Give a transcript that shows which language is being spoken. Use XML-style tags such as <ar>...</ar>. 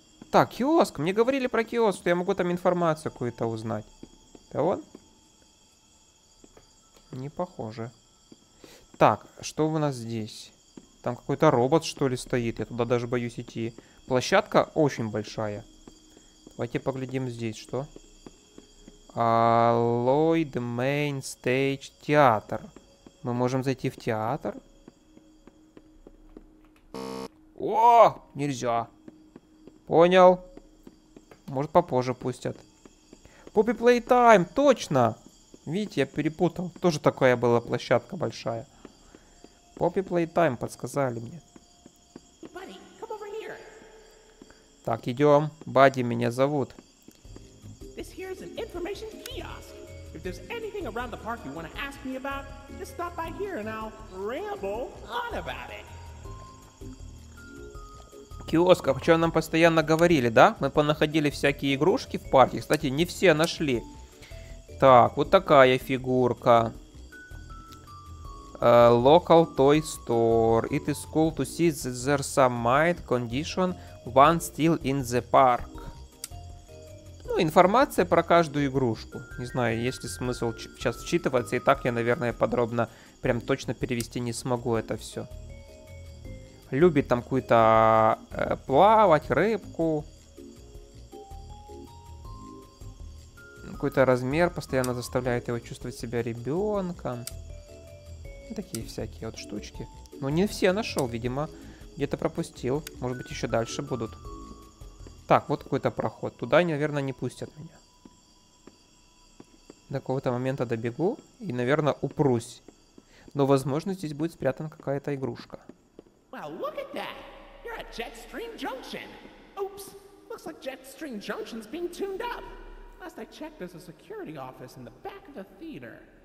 <ru>Так, киоск. Мне говорили про киоск, что я могу там информацию какую-то узнать. Да вон. Не похоже. Так, что у нас здесь? Там какой-то робот, что ли, стоит. Я туда даже боюсь идти. Площадка очень большая. Давайте поглядим здесь, что.</ru> <en>Lloyd Main Stage Театр.</en> <ru>Мы можем зайти в театр. О, нельзя. Понял. Может, попозже пустят. Poppy Playtime, точно. Видите, я перепутал. Тоже такая была площадка большая. Poppy Playtime подсказали мне.</ru> <en>Buddy, come over here.</en> <ru>Так, идем. Бадди меня зовут.</ru> <en>This here is an information kiosk. If there's anything around the park you want to ask me about, just stop by here and I'll ramble on about it.</en> <ru>Киоск, о чем нам постоянно говорили, да? Мы понаходили всякие игрушки в парке. Кстати, не все нашли. Так, вот такая фигурка.</ru> <en>Local Toy Store. It is cool to see that there's some mild condition one still in the park.</en> <ru>Ну, информация про каждую игрушку. Не знаю, есть ли смысл сейчас вчитываться. И так я, наверное, подробно прям точно перевести не смогу это все. Любит там какую-то плавать, рыбку. Какой-то размер постоянно заставляет его чувствовать себя ребенком. Такие всякие вот штучки. Ну, не все нашел, видимо. Где-то пропустил. Может быть, еще дальше будут. Так, вот какой-то проход. Туда, наверное, не пустят меня. До какого-то момента добегу и, наверное, упрусь. Но, возможно, здесь будет спрятана какая-то игрушка.</ru> <en>Well, look at that! You're at Jetstream Junction! Oops! Looks like Jetstream Junction's being tuned up! Last I checked, there's a security office in the back of the theater.</en>